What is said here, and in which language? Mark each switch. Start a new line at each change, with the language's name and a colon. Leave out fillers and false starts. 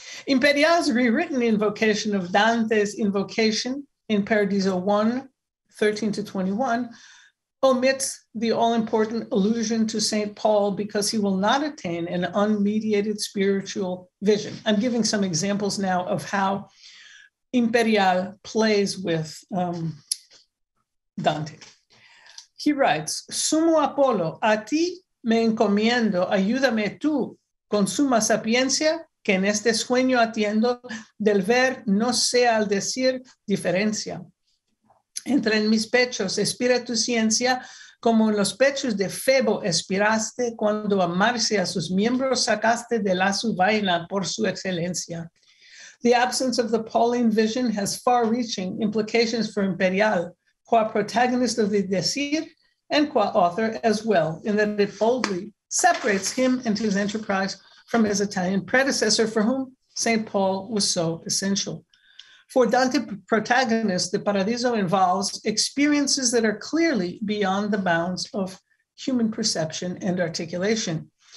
English: Imperial's rewritten invocation of Dante's invocation in Paradiso 1, 13-21, omits the all-important allusion to St. Paul because he will not attain an unmediated spiritual vision. I'm giving some examples now of how Imperial plays with Dante.
Spanish: He writes, Sumo Apollo, a ti me encomiendo, ayúdame tú con suma sapiencia que en este sueño atiendo del ver no sea al decir diferencia. Entra en mis pechos, expira tu ciencia, como en los pechos de Febo expiraste cuando a Marcia sus miembros sacaste de la su vaina por su excelencia.
English: The absence of the Pauline vision has far-reaching implications for Imperial, qua protagonist of the desir, and qua author as well, in that it boldly separates him and his enterprise from his Italian predecessor for whom St. Paul was so essential. For Dante protagonist, the Paradiso involves experiences that are clearly beyond the bounds of human perception and articulation.